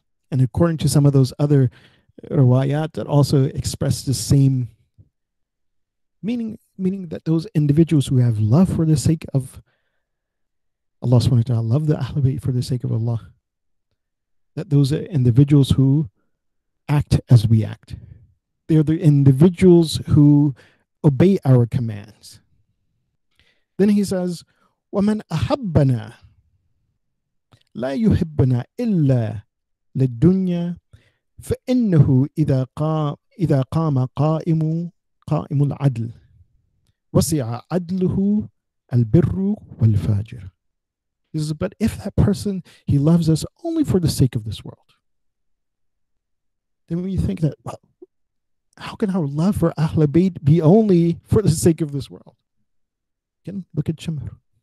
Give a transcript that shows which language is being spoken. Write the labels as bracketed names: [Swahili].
[English] And according to some of those other riwayat that also express the same meaning that those individuals who have love for the sake of Allah subhanahu wa ta'ala, love the Ahlul Bayt for the sake of Allah, that those are individuals who act as we act. They are the individuals who obey our commands. Then he says, [Arabic] وَمَنْ أَحَبَّنَا لَا يُحِبَّنَا إِلَّا لِلدُّنْيَا فَإِنَّهُ إِذَا قَامَ قَائِمُ الْعَدْلِ وَسِعَ عَدْلُهُ الْبِرُّ وَالْفَاجِرُ. [English] He says, but if that person, he loves us only for the sake of this world, then when you think that, well, how can our love for Ahlul Bayt be only for the sake of this world? Again, look at Shamar.